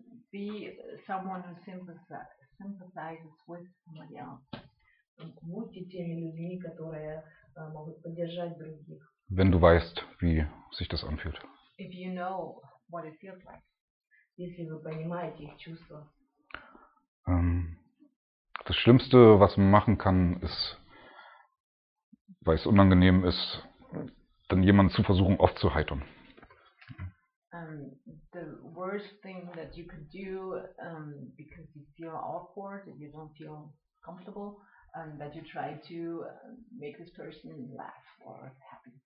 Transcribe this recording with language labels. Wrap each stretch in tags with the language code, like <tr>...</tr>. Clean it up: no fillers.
<en>Be someone who sympathizes with somebody else.</en> <ru>Будьте теми людьми, которые могут поддержать других.</ru> <de>Wenn du weißt, wie sich das anfühlt.</de> <en>If you know what it feels like.</en> <ru>Если вы понимаете их чувства.</ru> <de>Das Schlimmste, was man machen kann, ist, weil es unangenehm ist, dann jemanden zu versuchen aufzuheitern.</de> <en>The worst thing that you could do, because you feel awkward and you don't feel comfortable, that you try to make this person laugh or happy.</en>